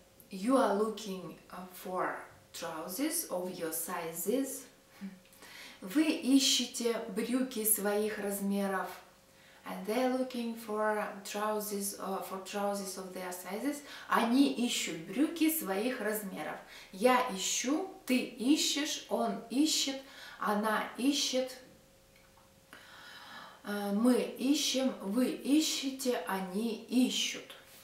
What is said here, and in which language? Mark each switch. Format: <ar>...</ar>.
<en>You are looking for trousers of your sizes.</en> <ru>Вы ищете брюки своих размеров.</ru> <en>And they are looking for trousers of their sizes.</en> <ru>Они ищут брюки своих размеров. Я ищу, ты ищешь, он ищет, она ищет. Мы ищем, вы ищете, они ищут.</ru>